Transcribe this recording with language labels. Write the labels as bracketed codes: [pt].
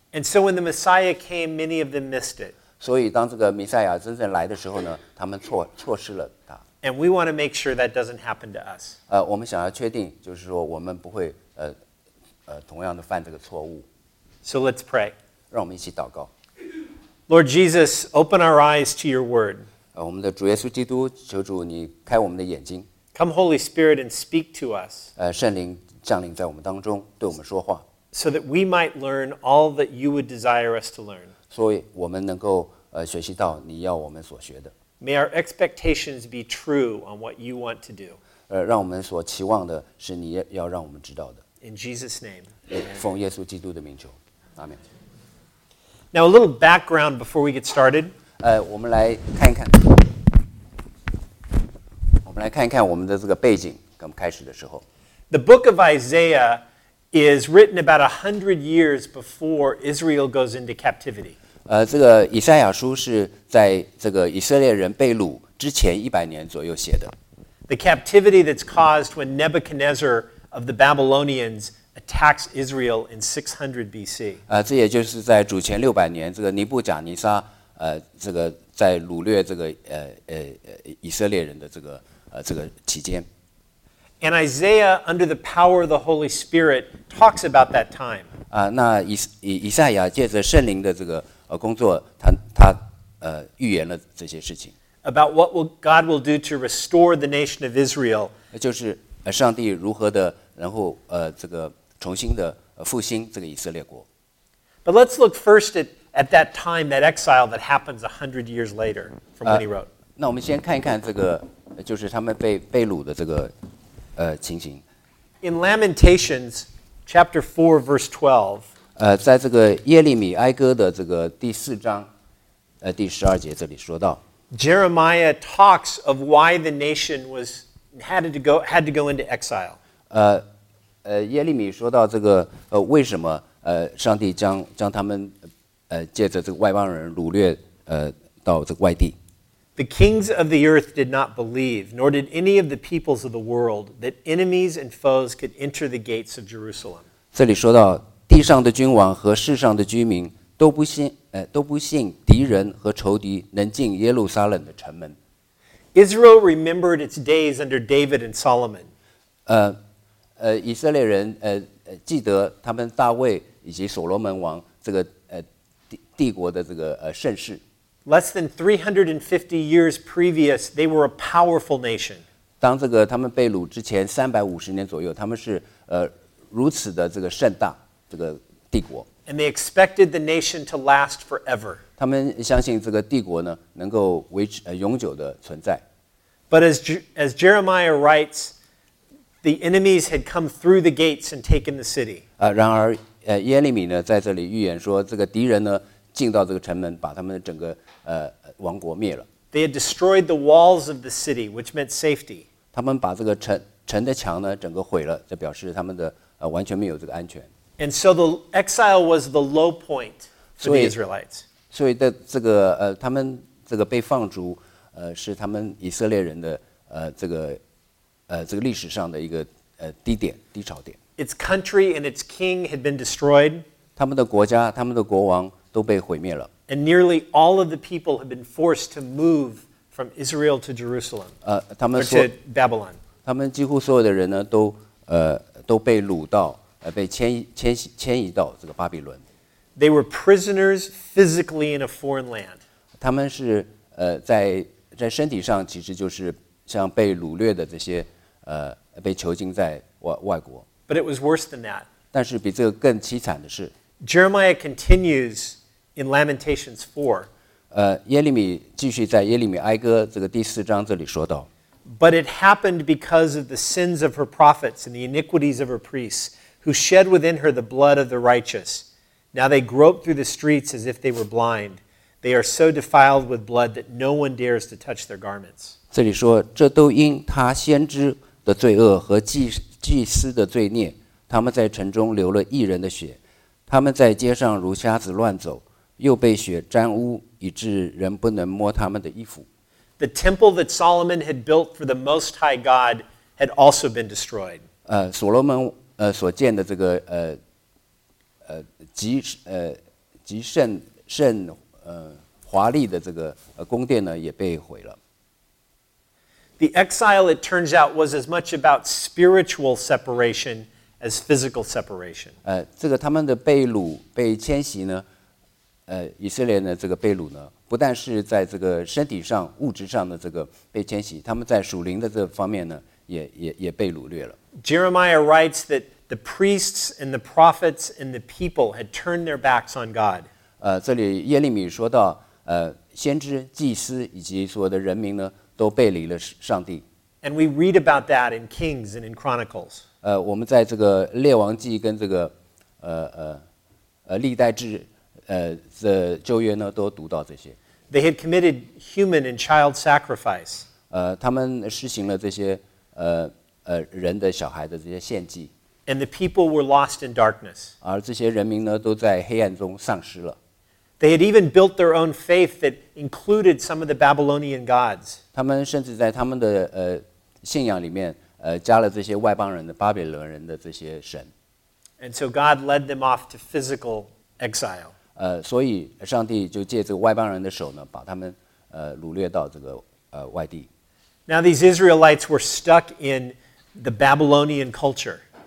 [en] And so when the Messiah came, many of them missed it. [zh] 所以当这个弥赛亚真正来的时候呢，他们错失了他。 [en] And we want to make sure that doesn't happen to us. [zh] 我们想要确定，就是说我们不会同样的犯这个错误。 [en] So let's pray. [zh] 让我们一起祷告。 [en] Lord Jesus, open our eyes to your word. [zh] 我们的主耶稣基督，求主你开我们的眼睛。 [en] Come Holy Spirit and speak to us. [zh] 圣灵降临在我们当中，对我们说话。 [en] So that we might learn all that you would desire us to learn. [zh] 所以我们能够学习到你要我们所学的。 [en] May our expectations be true on what you want to do. [zh] 让我们所期望的是你要让我们知道的。 [en] In Jesus' name. [zh] 奉耶稣基督的名求，阿门。 [en] Now a little background before we get started. [zh] 我们来看一看。我们来看一看我们的这个背景，刚开始的时候。 [en] The book of Isaiah is written about 100 years before Israel goes into captivity. [zh] 这个以赛亚书是在这个以色列人被掳之前100年左右写的。 [en] The captivity that's caused when Nebuchadnezzar of the Babylonians attacks Israel in 600 BC. [zh] 这也就是在主前600年，这个尼布甲尼撒这个在掳掠这个以色列人的这个期间。 [en] And Isaiah, under the power of the Holy Spirit, talks about that time. [zh] 那以赛亚借着圣灵的这个工作，他预言了这些事情。 [en] About what God will do to restore the nation of Israel. [zh] 就是上帝如何的，然后这个重新的复兴这个以色列国。 [en] But let's look first at that time, that exile that happens 100 years later from when he wrote. [zh] 那我们先看一看这个，就是他们被掳的这个。情形。 [en] In Lamentations chapter 4 verse 12, [zh] 在这个耶利米哀歌的这个第四章第十二节这里说到。 [en] Jeremiah talks of why the nation was had to go into exile. [zh] 耶利米说到这个为什么上帝将他们借着这个外邦人掳掠到这个外地。 [en] The kings of the earth did not believe, nor did any of the peoples of the world, that enemies and foes could enter the gates of Jerusalem. [zh] 这里说到地上的君王和世上的居民都不信敌人和仇敌能进耶路撒冷的城门。 [en] Israel remembered its days under David and Solomon. [zh] 以色列人记得他们大卫以及所罗门王这个帝国的这个盛世。 [en] Less than 350 years previous, they were a powerful nation. [zh] 当这个他们被掳之前350年左右，他们是如此的这个盛大这个帝国。 [en] And they expected the nation to last forever. [zh] 他们相信这个帝国呢，能够维持永久的存在。 [en] But as Jeremiah writes, the enemies had come through the gates and taken the city. [zh] 然而，耶利米呢，在这里预言说，这个敌人呢，进到这个城门，把他们的整个王国灭了。 [en] They had destroyed the walls of the city, which meant safety. [zh] 他们把这个城的墙呢，整个毁了，这表示他们的完全没有这个安全。 [en] And so the exile was the low point for the Israelites. [zh] 所以的这个他们这个被放逐，是他们以色列人的这个历史上的一个低点，低潮点。 [en] Its country and its king had been destroyed. [zh] 他们的国家，他们的国王都被毁灭了。 [en] And nearly all of the people had been forced to move from Israel to Jerusalem. [zh] 他们说 [en] or to Babylon. [zh] 他们几乎所有的人呢，都被掳到。被迁移到这个巴比伦。 [en] They were prisoners physically in a foreign land. [zh] 他们是在身体上其实就是像被掳掠的这些被囚禁在外国。 [en] But it was worse than that. [zh] 但是比这个更凄惨的是。 [en] Jeremiah continues in Lamentations 4. [zh] 耶利米继续在耶利米哀歌这个第四章这里说到。 [en] But it happened because of the sins of her prophets and the iniquities of her priests. Who shed within her the blood of the righteous? Now they grope through the streets as if they were blind. They are so defiled with blood that no one dares to touch their garments. [zh] 这里说，这都因他先知的罪恶和祭司的罪孽，他们在城中流了义人的血，他们在街上如瞎子乱走，又被血沾污，以致人不能摸他们的衣服。 [en] The temple that Solomon had built for the Most High God had also been destroyed. [zh] 所罗门所建的这个极甚甚华丽的这个宫殿呢，也被毁了。 [en] The exile, it turns out, was as much about spiritual separation as physical separation. [zh] 这个他们的被掳被迁徙呢，以色列的这个被掳呢，不但是在这个身体上物质上的这个被迁徙，他们在属灵的这方面呢，也被掳掠了。 [en] Jeremiah writes that. The priests and the prophets and the people had turned their backs on God. [zh] 这里耶利米说到，先知、祭司以及所有的人民呢，都背离了上帝。 [en] And we read about that in Kings and in Chronicles. [zh] 我们在这个列王记跟这个历代志这旧约呢，都读到这些。 [en] They had committed human and child sacrifice. [zh] 他们施行了这些人的小孩的这些献祭。 [en] And the people were lost in darkness. [zh] 而这些人民呢，都在黑暗中丧失了。 [en] They had even built their own faith that included some of the Babylonian gods. [zh] 他们甚至在他们的信仰里面加了这些外邦人的巴比伦人的这些神。 [en] And so God led them off to physical exile. [zh] 所以上帝就借这个外邦人的手呢，把他们掳掠到这个外地。 [en] Now these Israelites were stuck in the Babylonian culture.